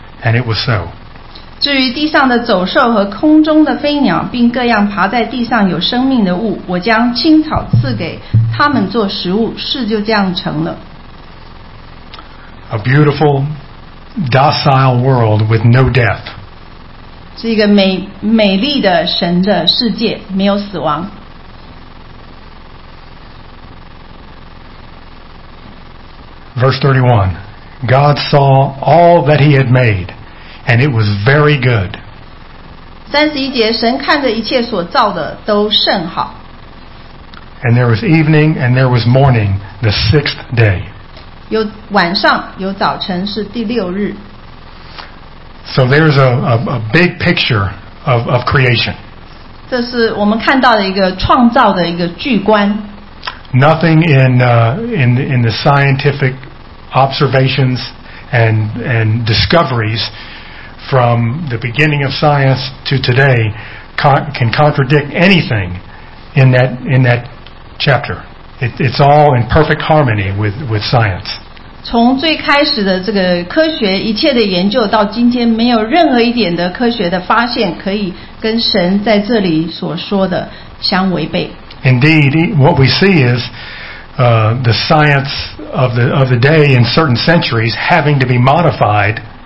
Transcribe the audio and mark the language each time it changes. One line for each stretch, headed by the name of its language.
English: And it was so.
Chinese: 至于地上的走兽和空中的飞鸟，并各样爬在地上有生命的物，我将青草赐给他们做食物，事就这样成了。
English: A beautiful, docile world with no death.
Chinese: 是一个美丽的神的世界，没有死亡。
English: Verse 31, God saw all that He had made. And it was very good.
Chinese: 31节，神看着一切所造的都甚好。
English: And there was evening and there was morning, the sixth day.
Chinese: 有晚上，有早晨，是第六日。
English: So there's a big picture of creation.
Chinese: 这是我们看到的一个创造的一个巨观。
English: Nothing in the scientific observations and discoveriesFrom the beginning of science to today, can contradict anything in that chapter. It's all in perfect harmony with science.
Chinese: 从最开始的这个科学一切的研究到今天，没有任何一点的科学的发现可以跟神在这里所说的相违背。
English: Indeed, what we see is the science of the day in certain centuries having to be modified.